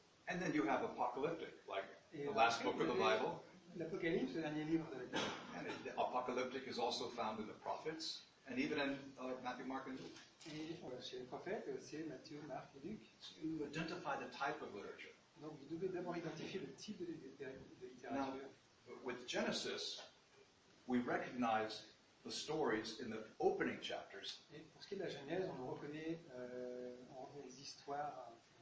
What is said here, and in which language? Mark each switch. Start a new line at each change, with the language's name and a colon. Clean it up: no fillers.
English: And then you have apocalyptic, like the last book of the Bible.
French: L'Apocalypse, le dernier livre de la Bible.
English: And the apocalyptic is also found in the prophets, and even in Matthew, Mark, and Luke.
French: Chez les prophètes, aussi Matthieu, Marc et Luc.
English: You identify the type of literature.
French: Donc, vous devez d'abord identifier le type de littérature.
English: Now, with Genesis, we recognize the stories in the opening chapters.
French: Et pour ce qui est de la Genèse, on reconnaît les histoires.